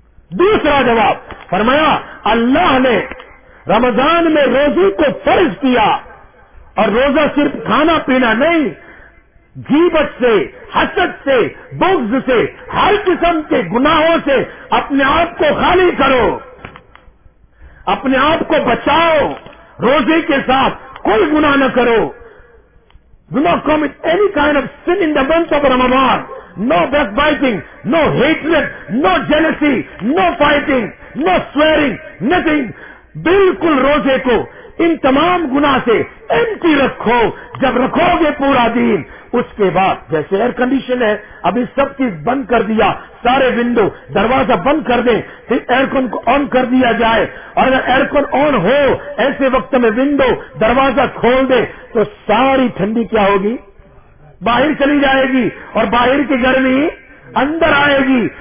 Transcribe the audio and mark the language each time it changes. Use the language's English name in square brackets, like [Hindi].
[Urdu] دوسرا جواب, فرمایا اللہ نے رمضان میں روزے کو فرض کیا, اور روزہ صرف کھانا پینا نہیں, غیبت سے, حسد سے, بغض سے, ہر قسم کے گناہوں سے اپنے آپ کو خالی کرو, اپنے آپ کو بچاؤ, روزے کے ساتھ کوئی گناہ نہ کرو. [English] Do not commit any kind of sin in the month of Ramadan. No backbiting, no hatred, no jealousy, no fighting, no swearing, nothing. [Urdu] بالکل روزے کو ان تمام گناہ سے انٹی رکھو. جب رکھو گے پورا دین, اس کے بعد جیسے ایئر کنڈیشن ہے, ابھی سب چیز بند کر دیا, سارے ونڈو دروازہ بند کر دیں, پھر ایئر کون کو آن کر دیا جائے, اور اگر ایئر کون آن ہو ایسے وقت میں ونڈو دروازہ کھول دیں تو ساری ٹھنڈی کیا ہوگی, باہر چلی جائے گی, اور باہر کی گرمی اندر آئے گی.